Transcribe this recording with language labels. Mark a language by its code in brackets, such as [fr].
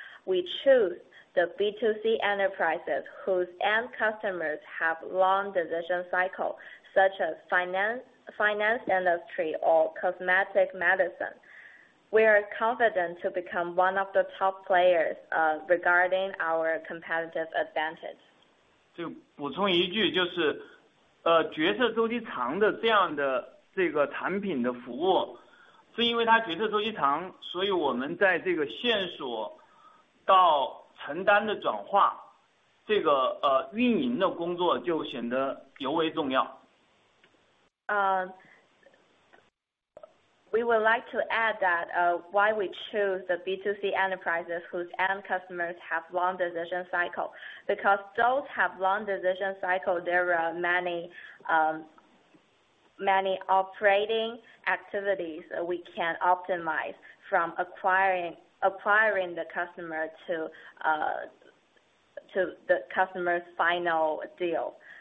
[en] We choose the B2C enterprises whose end customers have long decision cycle, such as finance industry or cosmetic medicine. We are confident to become one of the top players regarding our competitive advantage. [zh] 就补充一句，就是，决策周期长的这样的这个产品的服务，是因为它决策周期长，所以我们在这个线索到承担的转化，这个运营的工作就显得尤为重要。 [en] We would like to add that why we choose the B2C enterprises whose end customers have long decision cycle, because those have long decision cycle, there are many operating activities we can optimize from acquiring the customer to the customer's final deal.